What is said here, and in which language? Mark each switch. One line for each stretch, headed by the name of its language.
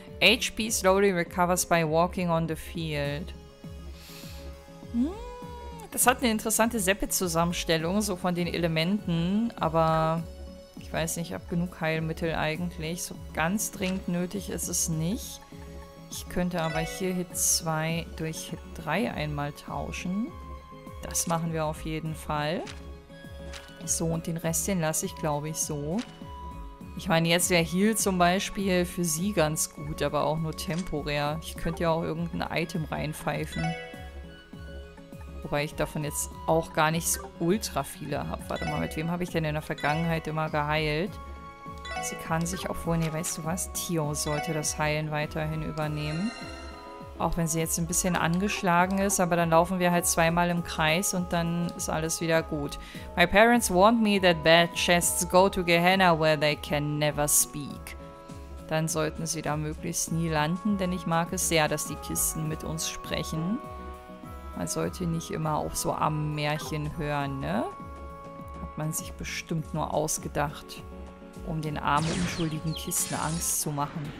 English: HP slowly recovers by walking on the field. Hm.
German: Das hat eine interessante Seppe-Zusammenstellung, so von den Elementen, aber ich weiß nicht, ich habe genug Heilmittel eigentlich. So ganz dringend nötig ist es nicht. Ich könnte aber hier Hit 2 durch Hit 3 einmal tauschen. Das machen wir auf jeden Fall. So, und den Rest, den lasse ich, glaube ich, so. Ich meine, jetzt wäre Heal zum Beispiel für sie ganz gut, aber auch nur temporär. Ich könnte ja auch irgendein Item reinpfeifen. Wobei ich davon jetzt auch gar nicht so ultra viele habe. Warte mal, mit wem habe ich denn in der Vergangenheit immer geheilt? Sie kann sich auch vorhin, nee, weißt du was? Tio sollte das Heilen weiterhin übernehmen. Auch wenn sie jetzt ein bisschen angeschlagen ist, aber dann laufen wir halt zweimal im Kreis und dann ist alles wieder gut.
English: My parents warned me that bad chests go to Gehenna where they can never speak.
German: Dann sollten sie da möglichst nie landen, denn ich mag es sehr, dass die Kisten mit uns sprechen. Man sollte nicht immer auch so am Märchen hören, ne? Hat man sich bestimmt nur ausgedacht, um den armen, unschuldigen Kisten Angst zu machen.